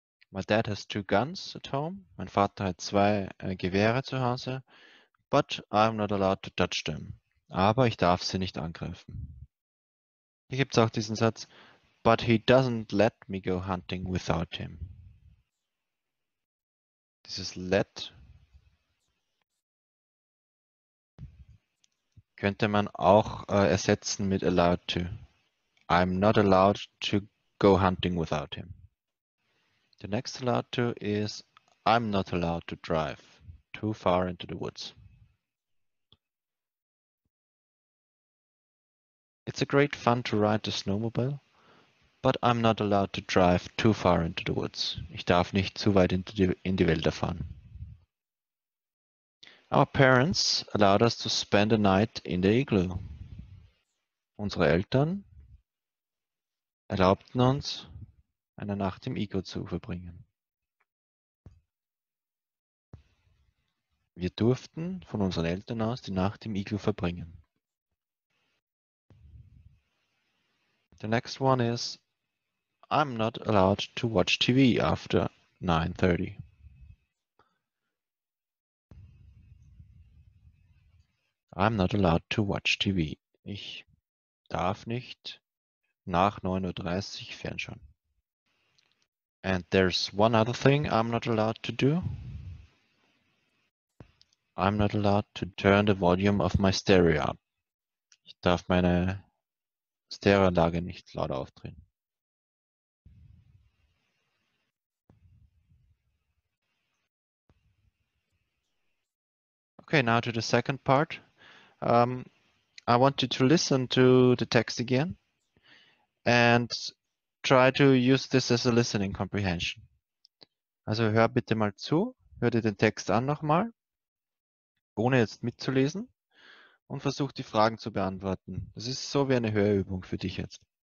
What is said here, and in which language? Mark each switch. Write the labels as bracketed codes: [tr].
[en] My dad has two guns at home. [de] Mein Vater hat zwei Gewehre zu Hause. [en] But I'm not allowed to touch them. [de] Aber ich darf sie nicht angreifen. Hier gibt es auch diesen Satz. [en] But he doesn't let me go hunting without him. [de] Dieses let könnte man auch ersetzen mit allowed to. [en] I'm not allowed to go hunting without him. The next allowed to is I'm not allowed to drive too far into the woods. It's a great fun to ride the snowmobile, but I'm not allowed to drive too far into the woods. [de] Ich darf nicht zu weit in die Wälder fahren. [en] Our parents allowed us to spend a night in the igloo. [de] Unsere Eltern erlaubten uns, eine Nacht im Igloo zu verbringen. Wir durften von unseren Eltern aus die Nacht im Iglu verbringen. [en] The next one is, I'm not allowed to watch TV after 9:30. I'm not allowed to watch TV. [de] Ich darf nicht nach 9:30 Uhr fernschauen. [en] And there's one other thing I'm not allowed to do. I'm not allowed to turn the volume of my stereo up. [de] Ich darf meine Stereoanlage nicht laut aufdrehen. [en] Okay, now to the second part. I want you to listen to the text again and try to use this as a listening comprehension. [de] Also hör bitte mal zu, hör dir den Text an nochmal, ohne jetzt mitzulesen und versuch die Fragen zu beantworten. Das ist so wie eine Hörübung für dich jetzt.